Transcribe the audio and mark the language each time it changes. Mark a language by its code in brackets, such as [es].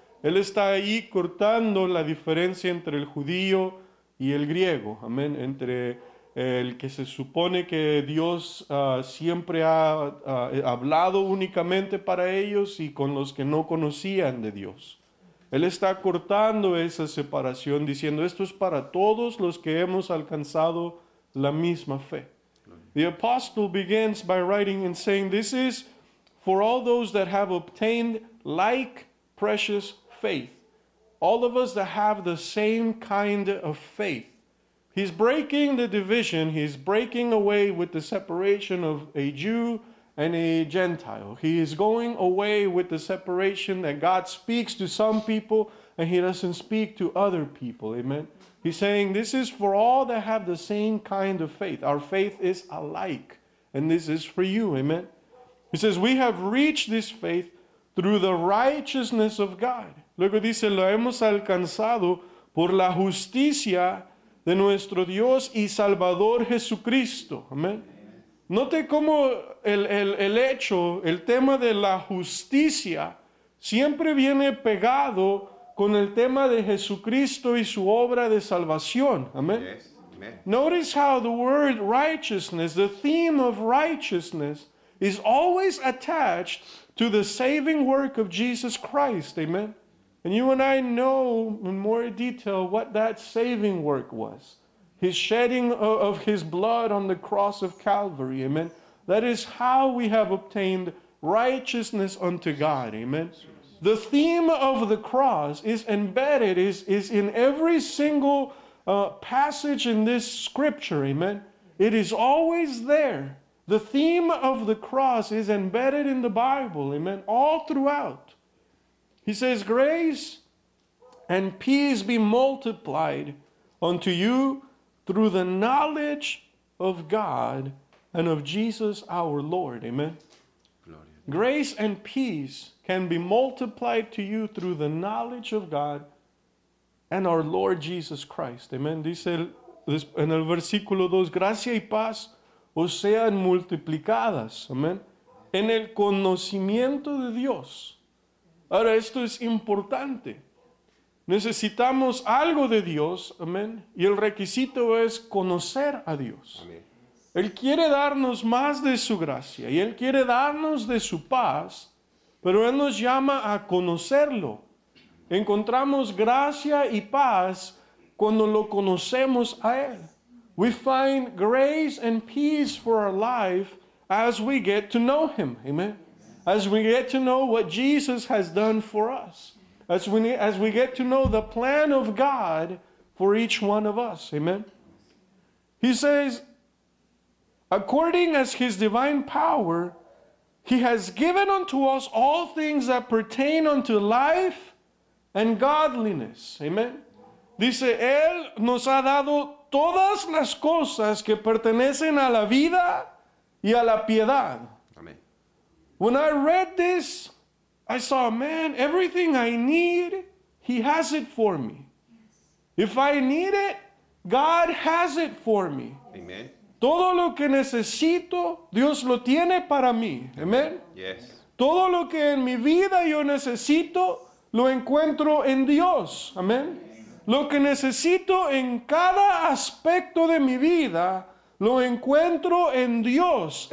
[es] Él está ahí cortando la diferencia entre el judío y el griego, amén, entre el que se supone que Dios siempre ha hablado únicamente para ellos y con los que no conocían de Dios. Él está cortando esa separación diciendo, esto es para todos los que hemos alcanzado la misma fe. [en] The apostle begins by writing and saying, this is for all those that have obtained like precious faith, all of us that have the same kind of faith. He's breaking the division. He's breaking away with the separation of a Jew and a Gentile. He is going away with the separation that God speaks to some people and he doesn't speak to other people. Amen. He's saying this is for all that have the same kind of faith. Our faith is alike. And this is for you. Amen. He says we have reached this faith through the righteousness of God. [es] Luego dice, lo hemos alcanzado por la justicia de nuestro Dios y Salvador Jesucristo. Amén. Note cómo el tema de la justicia siempre viene pegado con el tema de Jesucristo y su obra de salvación. Amén. [en] Notice how the word righteousness, the theme of righteousness, is always attached to the saving work of Jesus Christ. Amen. And you and I know in more detail what that saving work was. His shedding of his blood on the cross of Calvary. Amen. That is how we have obtained righteousness unto God. Amen. The theme of the cross is embedded, is in every single passage in this scripture. Amen. It is always there. The theme of the cross is embedded in the Bible. Amen. All throughout. He says, grace and peace be multiplied unto you through the knowledge of God and of Jesus our Lord. Amen. [es] Gloria. [en] Grace and peace can be multiplied to you through the knowledge of God and our Lord Jesus Christ. Amen. [es] Dice en el versículo 2, gracia y paz os sean multiplicadas. Amen. En el conocimiento de Dios. Ahora, esto es importante. Necesitamos algo de Dios, amén, y el requisito es conocer a Dios. Amén. Él quiere darnos más de su gracia y Él quiere darnos de su paz, Pero Él nos llama a conocerlo. Encontramos gracia y paz cuando lo conocemos a Él. [en] We find grace and peace for our life as we get to know Him. Amen. As we get to know what Jesus has done for us. As we get to know the plan of God for each one of us. Amen. He says, according as His divine power, He has given unto us all things that pertain unto life and godliness. Amen. [es] Dice, Él nos ha dado todas las cosas que pertenecen a la vida y a la piedad. Amen. [en] When I read this, I saw, man, everything I need, He has it for me. If I need it, God has it for me. Amen. [es] Todo lo que necesito, Dios lo tiene para mí. Amen. [en] Yes. [es] Todo lo que en mi vida yo necesito, lo encuentro en Dios. Amen. Lo que necesito en cada aspecto de mi vida, lo encuentro en Dios.